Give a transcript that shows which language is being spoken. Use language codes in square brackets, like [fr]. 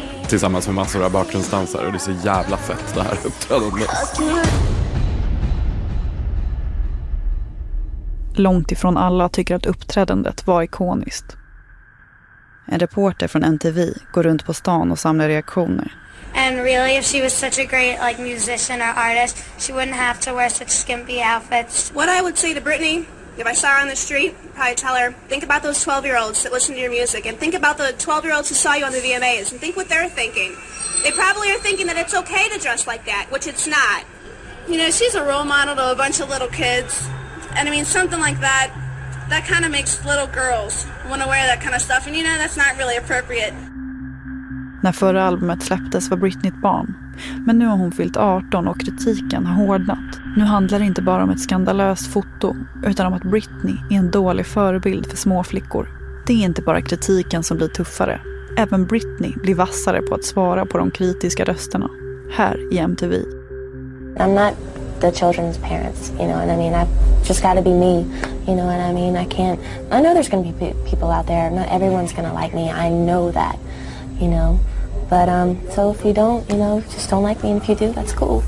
[sv] Tillsammans med massor av bakgrundsdansare, och det är så jävla fett det här uppträdandet. Långt ifrån alla tycker att uppträdandet var ikoniskt. En reporter från NTV går runt på stan och samlar reaktioner. [en] And really, if she was such a great like musician or artist, she wouldn't have to wear such skimpy outfits. What I would say to Britney, if I saw her on the street, I'd probably tell her, think about those 12-year-olds that listen to your music, and think about the 12-year-olds who saw you on the VMAs, and think what they're thinking. They probably are thinking that it's okay to dress like that, which it's not. You know, she's a role model to a bunch of little kids. And I mean, something like that, that kind of makes little girls want to wear that kind of stuff. And you know, that's not really appropriate. [sv] När förra albumet släpptes var Britney ett barn. Men nu har hon fyllt 18 och kritiken har hårdnat. Nu handlar det inte bara om ett skandalöst foto, utan om att Britney är en dålig förebild för små flickor. Det är inte bara kritiken som blir tuffare. Även Britney blir vassare på att svara på de kritiska rösterna. Här i MTV. [en] I'm not the children's parents, you know what I mean? I've just got to be me, you know what I mean? I can't, I know there's going to be people out there. Not everyone's going to like me. I know that. You know, but so if you don't, you know, just don't like me. And if you do, that's cool.